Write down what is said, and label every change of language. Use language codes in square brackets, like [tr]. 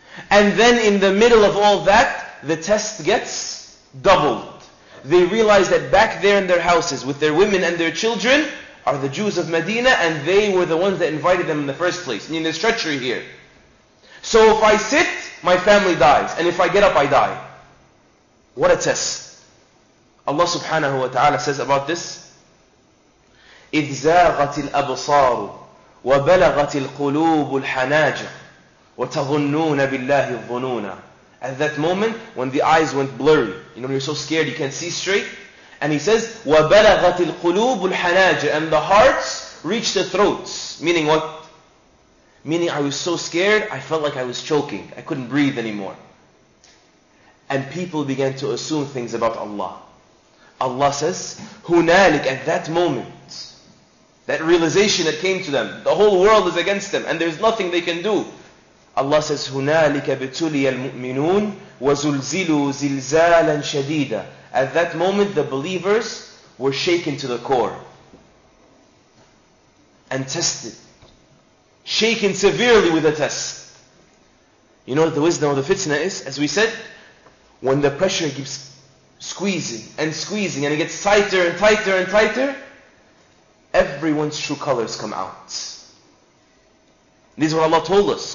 [en] And then in the middle of all that, the test gets doubled. They realize that back there in their houses, with their women and their children, are the Jews of Medina, and they were the ones that invited them in the first place. I mean, there's treachery here. So if I sit, my family dies. And if I get up, I die. What a test. Allah subhanahu wa ta'ala says about this, [ar] إِذْ زَاغَتِ الْأَبْصَارُ وَبَلَغَتِ الْقُلُوبُ الْحَنَاجِرُ وَتَظُنُّونَ بِاللَّهِ الظُّنُونَ. [en] At that moment, when the eyes went blurry, you know, when you're so scared, you can't see straight. And he says, [ar] وَبَلَغَتِ الْقُلُوبُ الْحَنَاجِرُ. [en] And the hearts reached the throats. Meaning what? Meaning I was so scared, I felt like I was choking. I couldn't breathe anymore. And people began to assume things about Allah. Allah says, هُنَالِكَ. At that moment, that realization that came to them, the whole world is against them, and there's nothing they can do. Allah says, [ar] هُنَالِكَ بِتُلِيَ الْمُؤْمِنُونَ وَزُلْزِلُوا زِلْزَالًا شَدِيدًا. [en] At that moment, the believers were shaken to the core and tested. Shaken severely with a test. You know what the wisdom of the fitna is? As we said, when the pressure keeps squeezing and squeezing and it gets tighter and tighter and tighter, everyone's true colors come out. This is what Allah told us.